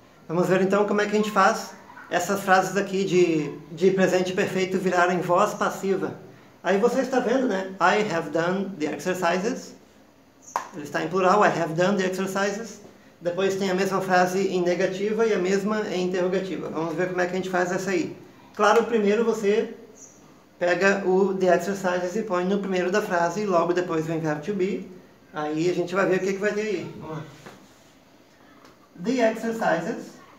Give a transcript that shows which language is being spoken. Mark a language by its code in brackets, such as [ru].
[pt] Vamos ver então como é que a gente faz essas frases aqui de presente perfeito virarem voz passiva. Aí você está vendo, né? [en] I have done the exercises. [pt] Ele está em plural, [en] I have done the exercises. [pt] Depois tem a mesma frase em negativa e a mesma em interrogativa. Vamos ver como é que a gente faz essa aí. Claro, primeiro você pega o the exercises e põe no primeiro da frase e logo depois vem verb to be. Aí a gente vai ver o que que vai ter aí. Vamos lá. The exercises.